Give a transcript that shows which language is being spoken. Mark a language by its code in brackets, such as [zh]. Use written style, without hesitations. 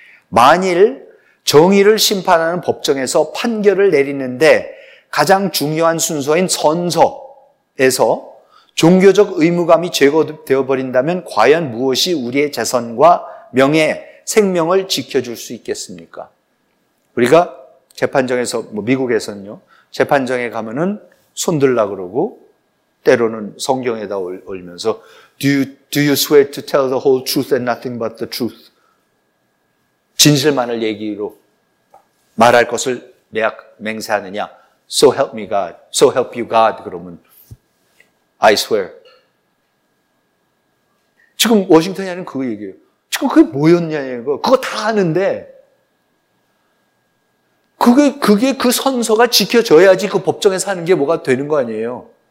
[ko] 만일 정의를 심판하는 법정에서 판결을 내리는데 가장 중요한 순서인 선서에서 종교적 의무감이 제거되어 버린다면 과연 무엇이 우리의 재산과 명예, 생명을 지켜줄 수 있겠습니까? 우리가 재판정에서, 미국에서는요, 재판정에 가면은 손들라 그러고, 때로는 성경에다 올리면서, [en] Do you swear to tell the whole truth and nothing but the truth? [ko] 진실만을 얘기로 말할 것을 맹세하느냐? [en] So help me God. So help you God. [ko] 그러면, [en] I swear. [ko] 지금 워싱턴이 하는 그거 얘기예요. 지금 그게 뭐였냐, 이거. 그거 다 아는데, 그게 그 선서가 지켜져야지 그 법정에서 하는 게 뭐가 되는 거 아니에요?